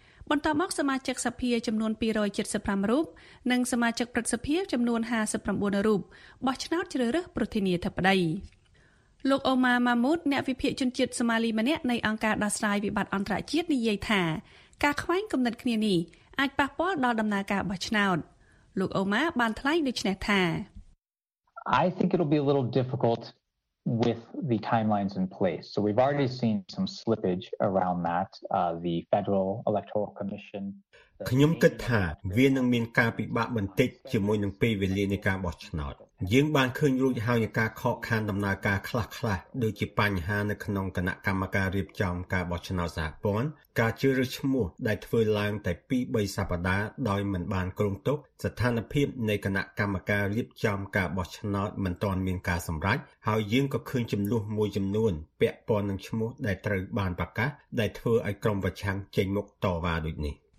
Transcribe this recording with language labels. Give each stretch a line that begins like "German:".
Khmer: បន្ទាប់មកសមាជិកសភាចំនួន275រូបនិងសមាជិកប្រតិភូចំនួន59រូបបោះឆ្នោតជ្រើសរើសប្រធានាធិបតីលោកអូម៉ាម៉ាមូតអ្នកវិភាគជនជាតិសូម៉ាលីម្នាក់នៃអង្គការដោះស្រាយវិបត្តិអន្តរជាតិនិយាយថាការខ្វែងគំនិតគ្នានេះអាចប៉ះពាល់ដល់ដំណើរការបោះឆ្នោតលោកអូម៉ាបានថ្លែងដូចនេះថា
English: I think it'll be a little difficult with the timelines in place. So we've already seen some slippage around that the Federal Electoral Commission
Khmer: ខ្ញុំគិតថាវានឹងមានការពិបាកបន្តិចជាមួយនឹងពេលវេលានៃការបោះឆ្នោតយើងបានឃើញរួចហើយនៃការខកខានដំណើរការខ្លះៗដូចជាបញ្ហានៅក្នុងគណៈកម្មការរៀបចំការបោះឆ្នោតសហព័ន្ធការជឿឬឈ្មោះដែលធ្វើឡើងតែ2-3 សប្តាហ៍ដោយមិនបានគ្រោងទុកស្ថានភាពនៃគណៈកម្មការរៀបចំការបោះឆ្នោតមិនទាន់មានការសម្រេចហើយយើងក៏ឃើញចំនួនមួយចំនួនពាក់ព័ន្ធនឹងឈ្មោះដែលត្រូវបានប្រកាសដែលធ្វើឲ្យក្រុមប្រឆាំងចេញមុខតវ៉ាដូចនេះ